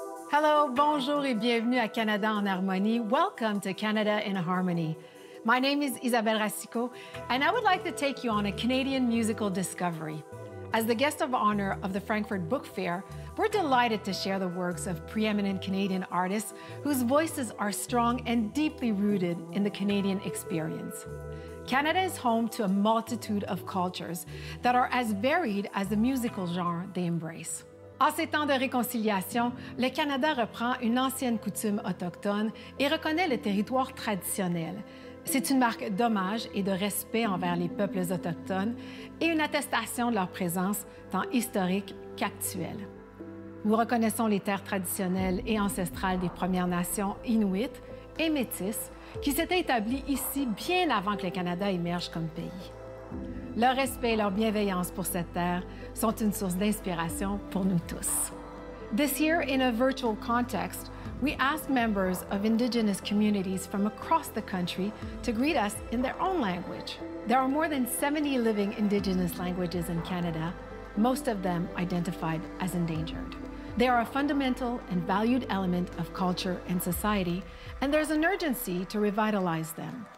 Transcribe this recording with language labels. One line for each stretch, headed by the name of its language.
French: Hello, bonjour et bienvenue à Canada en harmonie.
English: Welcome to Canada in Harmony. My name is Isabelle Racicot, and I would like to take you on a Canadian musical discovery. As the guest of honor of the Frankfurt Book Fair, we're delighted to share the works of preeminent Canadian artists whose voices are strong and deeply rooted in the Canadian experience. Canada is home to a multitude of cultures that are as varied as the musical genre they embrace.
French: En ces temps de réconciliation, le Canada reprend une ancienne coutume autochtone et reconnaît le territoire traditionnel. C'est une marque d'hommage et de respect envers les peuples autochtones et une attestation de leur présence, tant historique qu'actuelle. Nous reconnaissons les terres traditionnelles et ancestrales des Premières Nations Inuits et Métis qui s'étaient établies ici bien avant que le Canada émerge comme pays. Leur respect et leur bienveillance pour cette terre sont une source d'inspiration pour nous tous.
English: This year, in a virtual context, we asked members of Indigenous communities from across the country to greet us in their own language. There are more than 70 living Indigenous languages in Canada, most of them identified as endangered. They are a fundamental and valued element of culture and society, and there's an urgency to revitalize them.